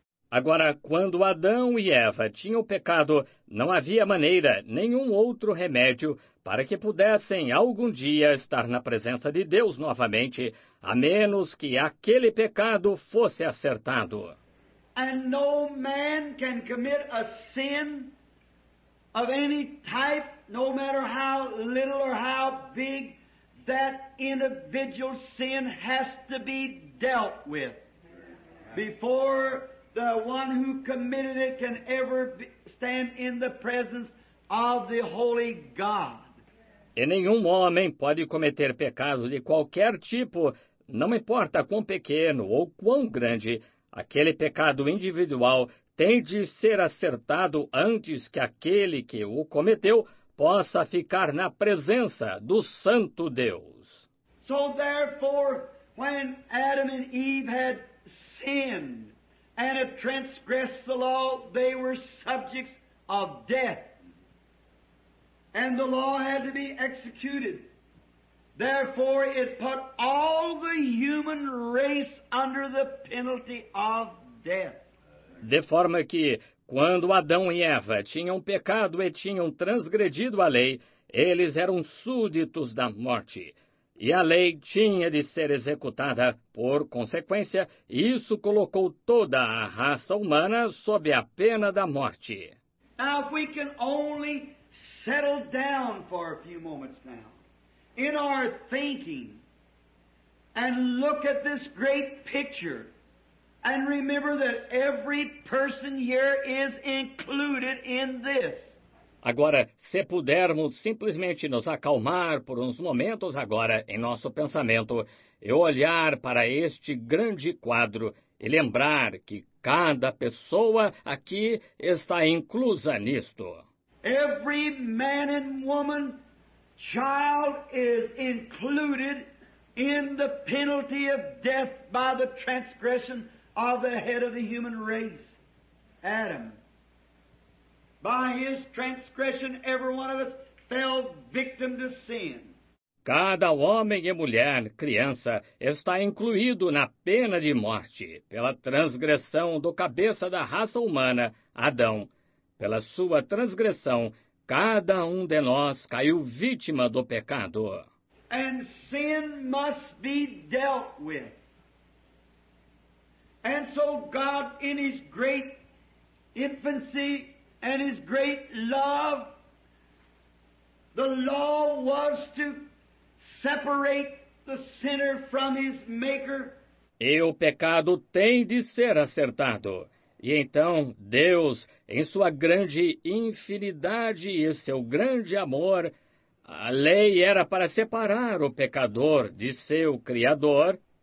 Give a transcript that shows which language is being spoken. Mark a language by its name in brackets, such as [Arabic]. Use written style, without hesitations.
[Portuguese] Agora, quando Adão e Eva tinham pecado, não havia maneira, nenhum outro remédio para que pudessem algum dia estar na presença de Deus novamente, a menos que aquele pecado fosse acertado. [English] And no man can commit a sin of any type, no matter how little or how big, that individual sin has to be dealt with before the one who committed it can ever stand in the presence of the holy God. [Portuguese] E nenhum homem pode cometer pecado de qualquer tipo, não importa quão pequeno ou quão grande, aquele pecado individual tem de ser acertado antes que aquele que o cometeu possa ficar na presença do Santo Deus. [English] So therefore, when Adam and Eve had sinned and had transgressed the law, they were subjects of death. And the law had to be executed. Therefore, it put all the human race under the penalty of death. [Portuguese] De forma que, quando Adão e Eva tinham pecado e tinham transgredido a lei, eles eram súditos da morte. E a lei tinha de ser executada. Por consequência, isso colocou toda a raça humana sob a pena da morte. [English] Now, if we can only settle down for a few moments now in our thinking and look at this great picture and remember that every person here is included in this. [Portuguese] Agora, se pudermos simplesmente nos acalmar por uns momentos agora em nosso pensamento e olhar para este grande quadro e lembrar que Cada pessoa aqui está inclusa nisto. [English] Every man and woman, child is included in the penalty of death by the transgression of the head of the human race, Adam. By his transgression, every one of us fell victim to sin. [Portuguese] Cada homem e mulher, criança, está incluído na pena de morte pela transgressão do cabeça da raça humana, Adão. Pela sua transgressão, cada um de nós caiu vítima do pecado. [English] And sin must be dealt with. And so God, in his great infancy and his great love, the law was to separate the sinner from his maker. [Portuguese] E o pecado tem de ser acertado. E então, Deus, em sua grande infinidade e seu grande amor, a lei era para separar o pecador de seu Criador.